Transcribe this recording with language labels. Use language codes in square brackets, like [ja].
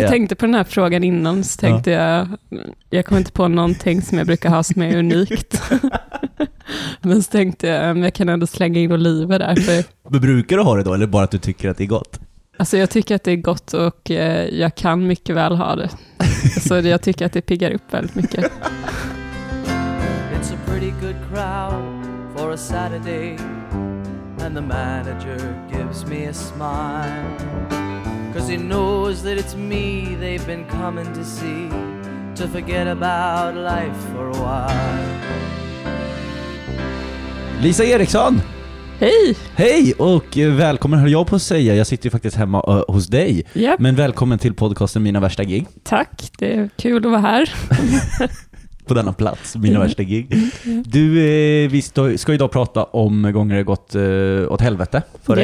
[sv] Jag tänkte på den här frågan innan, så tänkte jag kom inte på någonting som jag brukar ha som är unikt. Men så tänkte jag kan ändå slänga in oliver där. För... Men brukar du ha det då, eller bara att du tycker att det är gott? Alltså jag tycker att det är gott och jag kan mycket väl ha det. Så jag tycker att det piggar upp väldigt mycket. [en] It's a pretty good crowd for a Saturday. And the manager gives me a smile. 'Cause he knows that it's me they've been coming to see. To forget about life for a while. [sv] Lisa Eriksson! Hej! Hej och välkommen, hör jag på att säga. Jag sitter ju faktiskt hemma hos dig. Yep. Men välkommen till podcasten Mina värsta gig. Tack, det är kul att vara här. På denna plats, Mina värsta gig. Vi ska idag prata om gånger det gått åt helvete för dig.